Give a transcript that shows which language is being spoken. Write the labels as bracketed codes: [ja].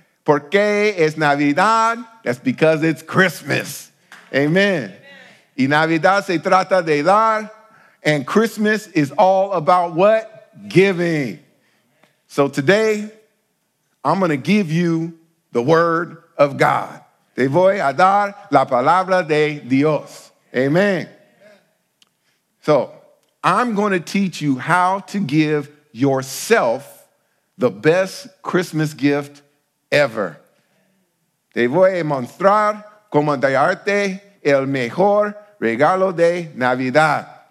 [es] Porque es Navidad? [en] That's because it's Christmas. Amen. Amen. [es] Y Navidad se trata de dar. [en] And Christmas is all about what? Giving. So today, I'm going to give you the word of God. [es] Te voy a dar la palabra de Dios. [en] Amen. So I'm going to teach you how to give yourself the best Christmas gift ever. [es] Te voy a mostrar cómo darte el mejor regalo de Navidad.